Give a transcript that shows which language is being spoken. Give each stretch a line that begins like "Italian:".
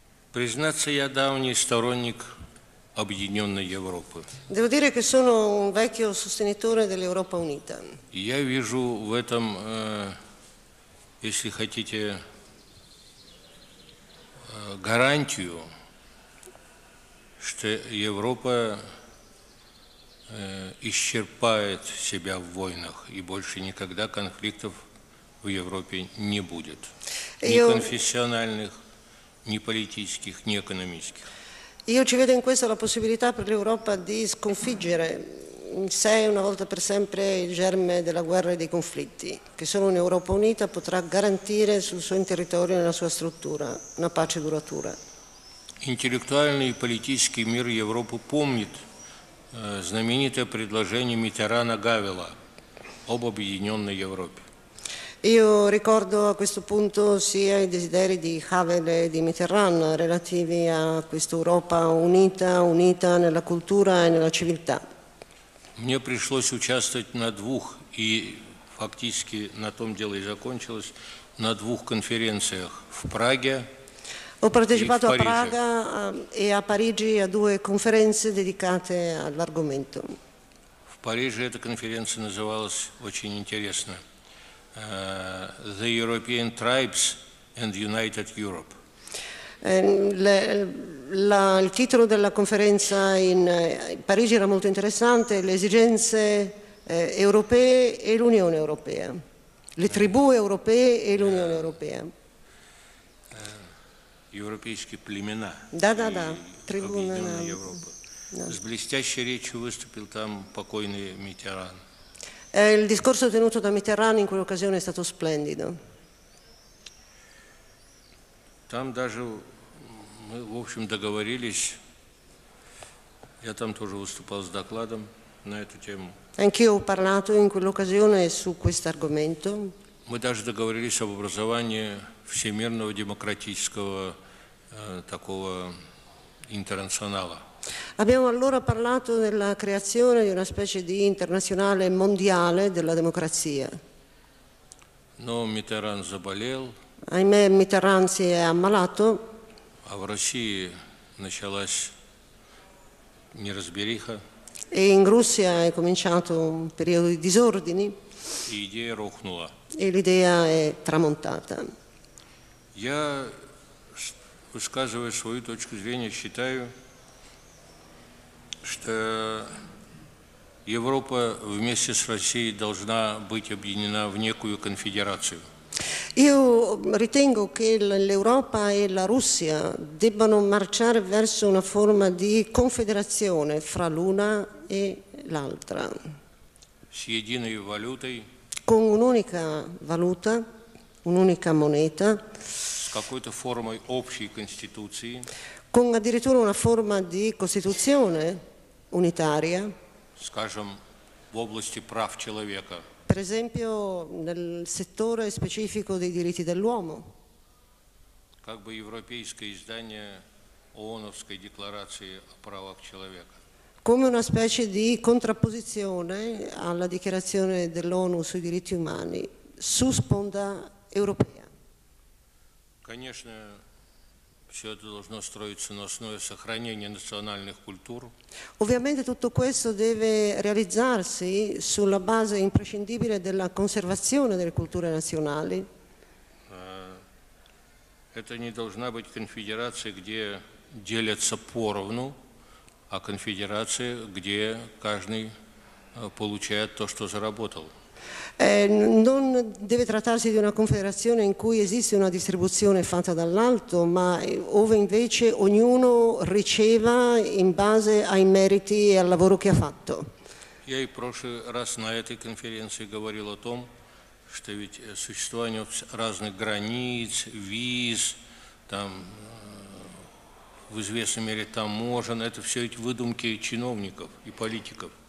Russian: Признаться, я давний сторонник Объединенной Европы.
Italian: Devo dire che sono un vecchio sostenitore dell'Europa Unita.
Russian: Я вижу в этом, если хотите, гарантию, что Европа исчерпает себя в войнах и больше никогда конфликтов в Европе не будет. Ни конфессиональных, ни политических, ни экономических.
Italian: Io ci vedo in questo la possibilità per l'Europa di sconfiggere in sé una volta per sempre il germe della guerra e dei conflitti, che solo un'Europa unita potrà garantire sul suo territorio e nella sua struttura una pace duratura.
Russian: Интеллектуальный и политический мир Европы помнит знаменитое предложение Митерана Гавела об объединенной Европе.
Italian: Io ricordo a questo punto sia i desideri di Havel e di Mitterrand relativi a questa Europa unita, unita nella cultura e nella civiltà.
Russian: Мне пришлось участвовать на двух, и фактически на том дело и закончилось, на двух конференциях в Праге.
Italian: Ho partecipato a Praga e a Parigi a due conferenze dedicate all'argomento.
Russian: В Париже эта конференция называлась очень интересно.
English: The European Tribes and United Europe.
Italian: Il titolo della conferenza in Parigi era molto interessante, le esigenze europee e l'Unione Europea, le tribù europee e l'Unione Europea.
Russian: Европейские племена. Да,
Italian: тribù europee.
Russian: С блестящей речью выступил там покойный Митеран.
Italian: Il discorso tenuto da Mitterrand in quell'occasione è stato splendido.
Russian: Там даже мы, в общем, договорились. Я там тоже выступал с докладом на эту тему.
Italian: Anch'io ho parlato in quell'occasione su questo argomento.
Russian: Мы даже договорились об образовании всемирного демократического такого интернационала.
Italian: Abbiamo allora parlato della creazione di una specie di internazionale mondiale della democrazia.
Russian: Но Митерран заболел.
Italian: Ahimè, Митерран si è ammalato.
Russian: А в России началась неразбериха.
Italian: E in Russia è cominciato un periodo di disordini.
Russian: И идея рухнула.
Italian: E l'idea è tramontata.
Russian: Я высказываю свою точку зрения, считаю, что Европа вместе с Россией должна быть объединена в некую конфедерацию.
Italian: Io ritengo che l'Europa e la Russia debbano marciare verso una forma di confederazione fra l'una e l'altra.
Russian: С единой валютой.
Italian: Con un'unica valuta, un'unica moneta.
Russian: С какой-то формой общей конституции.
Italian: Con addirittura una forma di costituzione. Unitaria,
Russian: скажем, в области прав человека.
Italian: Per esempio, nel settore specifico dei diритти dell'uomo.
Russian: Как бы европейское издание ООНовской декларации о правах человека.
Italian: Come una specie di contrapposizione alla dichiarazione dell'ONU sui diritti umani su sponda europea.
Russian: Конечно, все это должно строиться на основе сохранения национальных культур.
Italian: Ovviamente tutto questo deve realizzarsi sulla base imprescindibile della conservazione delle culture nazionali.
Russian: Это не должна быть конфедерация, где делятся поровну, а конфедерация, где каждый получает то, что заработал.
Italian: Non deve trattarsi di una confederazione in cui esiste una distribuzione fatta dall'alto, ma dove invece ognuno riceva in base ai meriti e al lavoro che ha fatto.
Russian: Я и в прошлый раз на этой конференции говорил о том, что ведь существование разных границ, виз, там, в известной мере таможен, это все эти выдумки чиновников и политиков.